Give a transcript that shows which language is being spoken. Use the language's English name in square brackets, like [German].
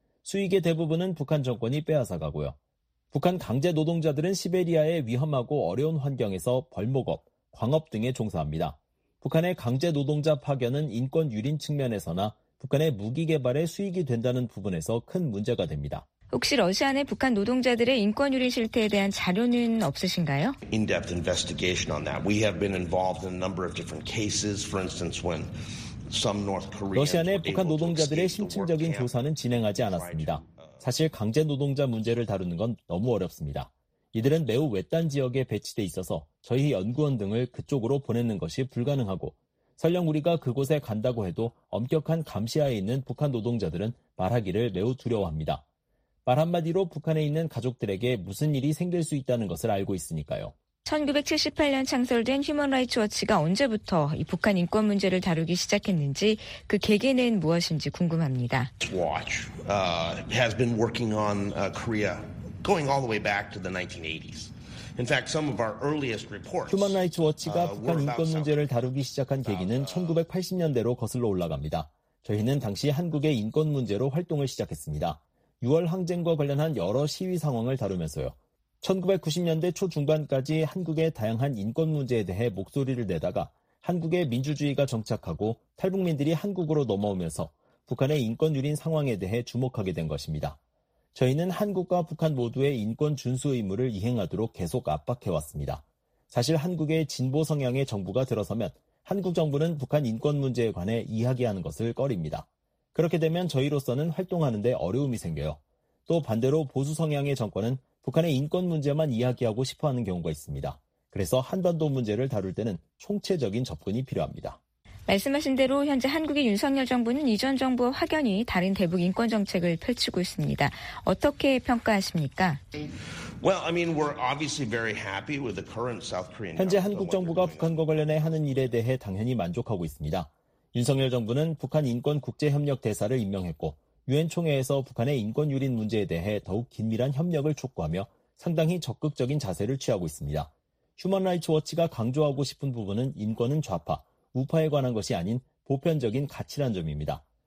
[Korean] 수익의 대부분은 북한 정권이 빼앗아가고요. 북한 강제 노동자들은 시베리아의 위험하고 어려운 환경에서 벌목업, 광업 등에 종사합니다. 북한의 강제 노동자 파견은 인권 유린 측면에서나 북한의 무기 개발에 수익이 된다는 부분에서 큰 문제가 됩니다. 혹시 러시아 내 북한 노동자들의 인권 유린 실태에 대한 자료는 없으신가요? [English] In-depth investigation on that. We have been involved in a number of different cases. For instance, when some North Koreans were able to escape the work camp. [Korean] 북한 노동자들의 심층적인 조사는 진행하지 않았습니다. 사실 강제 노동자 문제를 다루는 건 너무 어렵습니다. 이들은 매우 외딴 지역에 배치돼 있어서 저희 연구원 등을 그쪽으로 보내는 것이 불가능하고 설령 우리가 그곳에 간다고 해도 엄격한 감시하에 있는 북한 노동자들은 말하기를 매우 두려워합니다. 말 한마디로 북한에 있는 가족들에게 무슨 일이 생길 수 있다는 것을 알고 있으니까요. 1978년 창설된 휴먼라이츠워치가 언제부터 이 북한 인권 문제를 다루기 시작했는지 그 계기는 무엇인지 궁금합니다. [English] Watch has been working on Korea going all the way back to the 1980s. In fact, some of our earliest reports. [Korean] 휴먼라이츠워치가 북한 인권 문제를 다루기 시작한 계기는 1980년대로 거슬러 올라갑니다. 저희는 당시 한국의 인권 문제로 활동을 시작했습니다. 6월 항쟁과 관련한 여러 시위 상황을 다루면서요. 1990년대 초중반까지 한국의 다양한 인권 문제에 대해 목소리를 내다가 한국의 민주주의가 정착하고 탈북민들이 한국으로 넘어오면서 북한의 인권 유린 상황에 대해 주목하게 된 것입니다. 저희는 한국과 북한 모두의 인권 준수 의무를 이행하도록 계속 압박해왔습니다. 사실 한국의 진보 성향의 정부가 들어서면 한국 정부는 북한 인권 문제에 관해 이야기하는 것을 꺼립니다. 그렇게 되면 저희로서는 활동하는 데 어려움이 생겨요. 또 반대로 보수 성향의 정권은 북한의 인권 문제만 이야기하고 싶어하는 경우가 있습니다. 그래서 한반도 문제를 다룰 때는 총체적인 접근이 필요합니다. 말씀하신 대로 현재 한국의 윤석열 정부는 이전 정부와 확연히 다른 대북 인권 정책을 펼치고 있습니다. 어떻게 평가하십니까? [English] Well, I mean, we're obviously very happy with the current South Korean. [Korean] 현재 한국 정부가 북한과 관련해 하는 일에 대해 당연히 만족하고 있습니다. 윤석열 정부는 북한 인권 국제 협력 대사를 임명했고 유엔 총회에서 북한의 인권 유린 문제에 대해 더욱 긴밀한 협력을 촉구하며 상당히 적극적인 자세를 취하고 있습니다. 휴먼라이츠 워치가 강조하고 싶은 부분은 인권은 좌파, 우파에 관한 것이 아닌 보편적인 가치란 점입니다.